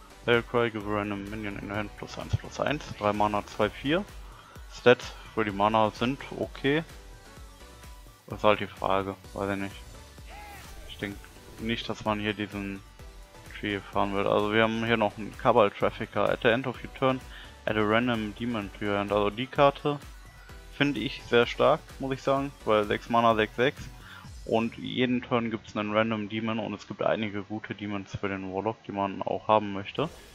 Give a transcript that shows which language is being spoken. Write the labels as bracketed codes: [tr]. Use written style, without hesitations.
[en] Hellcry, give a random minion in your hand +1/+1. 3 Mana 2-4. [de] Stats für die Mana sind okay. Das ist halt die Frage, weiß ich nicht. Ich denke nicht, dass man hier diesen Tree fahren wird. Also wir haben hier noch einen Kabal Trafficker. [en] At the end of your turn, add a random demon to your hand. [de] Also die Karte finde ich sehr stark, muss ich sagen, weil 6 Mana 6-6. Und jeden Turn gibt es einen Random Demon und es gibt einige gute Demons für den Warlock, die man auch haben möchte.